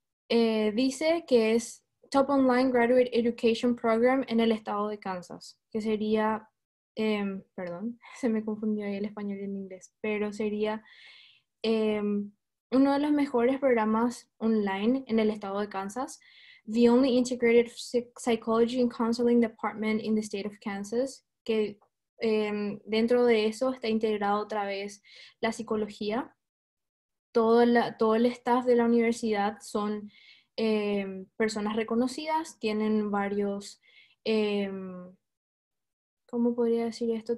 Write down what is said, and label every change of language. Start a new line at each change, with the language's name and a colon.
Spanish: Dice que es
English: Top Online Graduate Education Program
Spanish: en el estado de Kansas. Que sería, perdón, se me confundió ahí el español y el inglés. Pero sería uno de los mejores programas online en el estado de Kansas.
English: The only integrated psychology and counseling department in the state of Kansas.
Spanish: Que dentro de eso está integrado otra vez la psicología. Todo el staff de la universidad son personas reconocidas, tienen varios, ¿cómo podría decir esto?